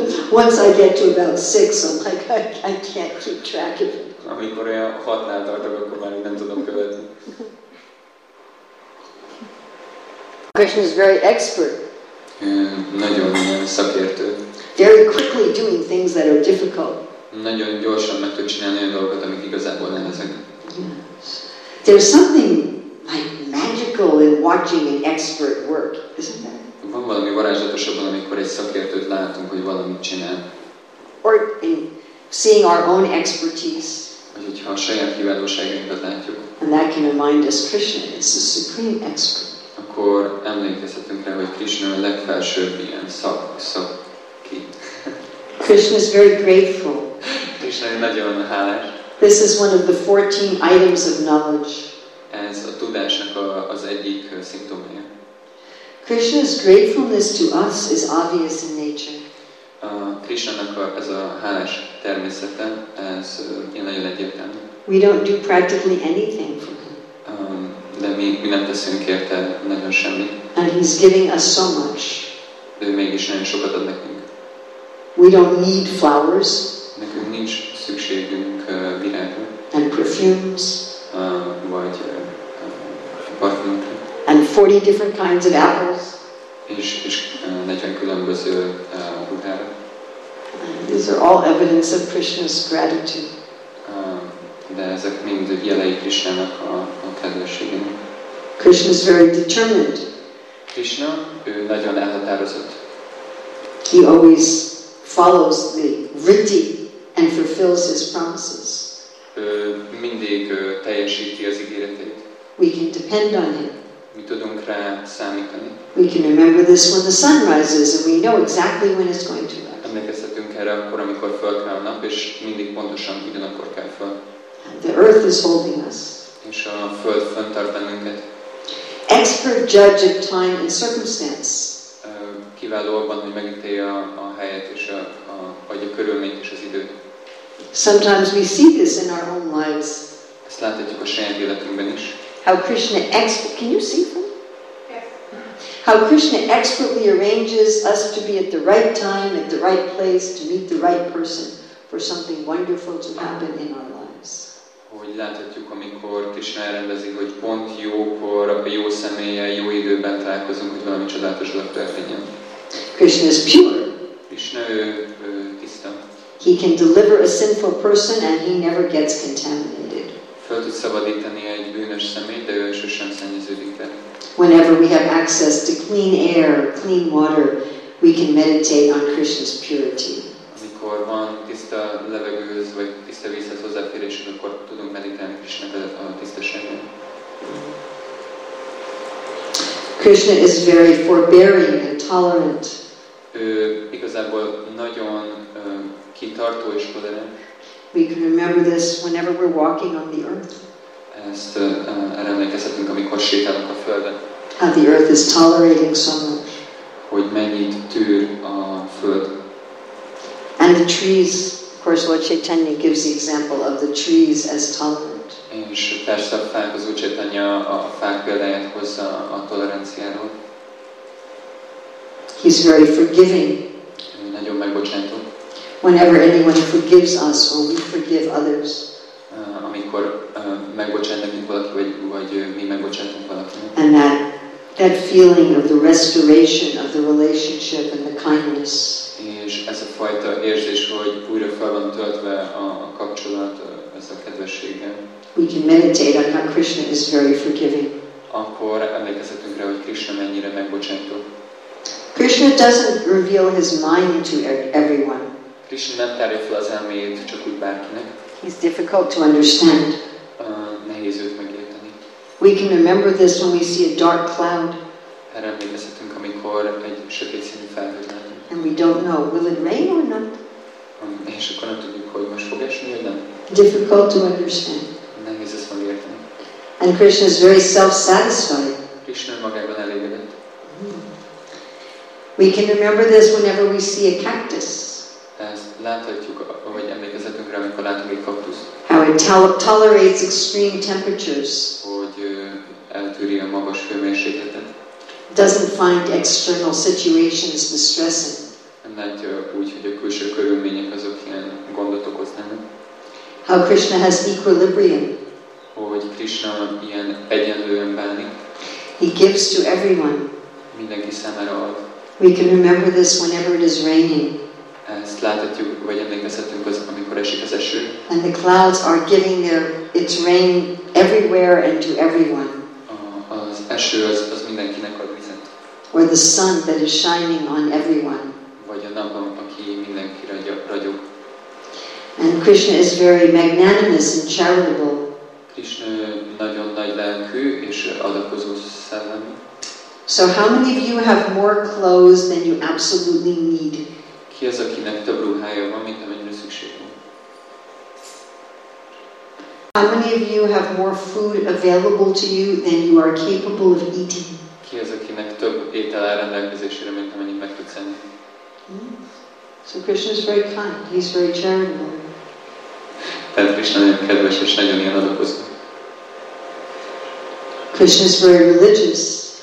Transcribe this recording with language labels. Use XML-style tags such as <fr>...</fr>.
<en>Once I get to about 6, I'm like, I can't keep track of it.</en> <hu>Amikor olyan 6-nál tartok, akkor már nem tudom követni.</hu> <en>Krishna is very expert.</en> <hu>Nagyon szakértő.</hu> <en>Very quickly doing things that are difficult.</en> <hu>Nagyon gyorsan meg tud csinálni olyan dolgokat, amik igazából nehezek.</hu> <en>There's something like magical in watching an expert work, isn't there?</en> <hu>Van valami varázslatosabban, amikor egy szakértőt látunk, hogy valamit csinál.</hu> <en>Or in seeing our own expertise.</en> <hu>Vagy hogyha a saját kiválóságunkat látjuk.</hu> <en>And that can remind us Krishna is the supreme expert.</en> <hu>Akkor emlékezhetünk rá, hogy Krishna a legfelsőbb ilyen szaki.</hu> <en>Krishna is very grateful.</en> <hu>Krishna nagyon hálás.</hu> <en>This is one of the 14 items of knowledge.</en> <hu>Ez a tudásnak az egyik szimptomája.</hu> <en>Krishna's gratefulness to us is obvious in nature.</en> <hu>Krishna-nak ez a hálás természete, ez ilyen nagyon egyértelmű.</hu> <en>We don't do practically anything for him.</en> <hu>De mi nem teszünk érte nagyon semmit.</hu> <en>And he's giving us so much.</en> <hu>De mégis nagyon sokat ad nekünk.</hu> <en>We don't need flowers.</en> <hu>Nekünk nincs szükségünk virágra.</hu> <en>And perfumes.</en> <hu>Vagy parfümökre.</hu> <en>And 40 different kinds of apples.</en> <hu>És 40 különböző ruhára.</hu> <en>These are all evidence of Krishna's gratitude.</en> <hu>De ezek mind jelei Krishna-nak a kedvességének.</hu> <en>Krishna is very determined.</en> <hu>Krishna, ő nagyon elhatározott.</hu> <en>He always follows the riti and fulfills his promises.</en> <hu>Mindig teljesíti az ígéreteit.</hu> <en>We can depend on him.</en> <hu>Mi tudunk rá számítani.</hu> <en>We can remember this when the sun rises and we know exactly when it's going to rise.</en> <hu>Emlékezhetünk erre akkor, amikor fölkel a nap, és mindig pontosan ugyanakkor kell föl.</hu> <en>The earth is holding us.</en> <hu>És a föld fönn tart bennünket.</hu> <en>Expert judge of time and circumstance.</en> <hu>Kiváló abban, hogy megítélje a helyet és a körülményt és az időt.</hu> <en>Sometimes we see this in our own lives.</en> <hu>Ezt láthatjuk a saját életünkben is.</hu> <en>How Krishna can you see them? Yes. How Krishna expertly arranges us to be at the right time, at the right place, to meet the right person for something wonderful to happen in our lives.</en> <hu>Hogy láthatjuk, amikor Krishna elrendezi, hogy pont jókor, a jó személlyel, jó időben találkozunk, hogy valami csodálatos dolog történjen.</hu> <en>Krishna is pure.</en> <hu>Krishna tiszta.</hu> <en>He can deliver a sinful person and he never gets contaminated.</en> <hu>Föl tud szabadítani egy bűnös szemét, de ő sosem szennyeződik el.</hu> <en>Whenever we have access to clean air, clean water, we can meditate on Krishna's purity.</en> <hu>Amikor van tiszta levegőhöz, vagy tiszta vízhez hozzáférésünk, akkor tudunk meditálni Krishna-t a tisztaságon.</hu> <en>Krishna is very forbearing and tolerant.</en> <hu>Ő igazából nagyon kitartó és tolerant.</hu> <en>We can remember this whenever we're walking on the earth.</en> <hu>Ezt emlékezhetünk, amikor sétálunk a Földön.</hu> <en>How the earth is tolerating so much.</en> <hu>Hogy mennyit tűr a Föld.</hu> <en>And the trees, of course, Lord Chaitanya gives the example of the trees as tolerant.</en> <hu>És persze a fák, az Úr Chaitanya a fák példáját hozza a toleranciáról.</hu> <en>He's very forgiving.</en> <hu>Nagyon megbocsátó.</hu> <en>Whenever anyone forgives us or we forgive others.</en> <hu>Amikor megbocsát nekünk valaki, vagy mi megbocsátunk valakinek.</hu> <en>And that feeling of the restoration of the relationship and the kindness.</en> <hu>És ez a fajta érzés, hogy újra fel van töltve a kapcsolat, ez a kedvességgel.</hu> <en>We can meditate on how Krishna is very forgiving.</en> <hu>Akkor emlékezhetünk rá, hogy Krishna mennyire megbocsátó.</hu> <en>Krishna doesn't reveal his mind to everyone.</en> <hu>Krishna nem tárifel az elmét csak úgy bárkinek.</hu> <en>He's difficult to understand.</en> <hu>Nehéz őt megérteni.</hu> <en>We can remember this when we see a dark cloud.</en> <hu>Erre emlékezhetünk, amikor egy sötét színű felhőt látunk.</hu> <en>And we don't know, will it rain or not?</en> <hu>És akkor nem tudjuk, hogy most fog esni, vagy nem.</hu> <en>Difficult to understand.</en> <hu>Nehéz ezt megérteni.</hu> <en>And Krishna is very self-satisfied.</en> <hu>Krishna magában elégedett.</hu> <en>We can remember this whenever we see a cactus.</en> <hu>Láthatjuk, vagy emlékezhetünk rá, amikor látunk egy kaktuszt.</hu> <en>How it tolerates extreme temperatures.</en> <hu>Hogy eltűri a magas hőmérsékletet.</hu> <en>Doesn't find external situations distressing.</en> <hu>Nem látja úgy, hogy a külső körülmények azok ilyen gondot okoznak.</hu> <en>How Krishna has equilibrium.</en> <hu>Hogy Krishna ilyen egyenlően bánik.</hu> <en>He gives to everyone.</en> <hu>Mindenki számára ad.</hu> <en>We can remember this whenever it is raining.</en> <hu>Ezt láthatjuk, vagy emlékezhetünk, amikor esik az eső.</hu> <en>And the clouds are giving its rain everywhere and to everyone.</en> <hu>Az eső az mindenkinek ad vizet.</hu> <en>Or the sun that is shining on everyone.</en> <hu>Vagy a nap, aki mindenki ragyog.</hu> <en>And Krishna is very magnanimous and charitable.</en> <hu>Krishna nagyon nagy lelkű és adakozó szellemű.</hu> <en>So how many of you have more clothes than you absolutely need?</en> <hu>Ki az, akinek több ruhája van, mint amennyire szükség van?</hu> <en>How many of you have more food available to you than you are capable of eating?</en> <hu>Ki az, akinek több étel áll rendelkezésére, mint amennyit meg tudsz enni?</hu> <en>So Krishna is very kind. He's very charitable.</en> <hu>Tehát Krishna nagyon kedves és nagyon ilyen adakozó.</hu> <en>Krishna is very religious.</en>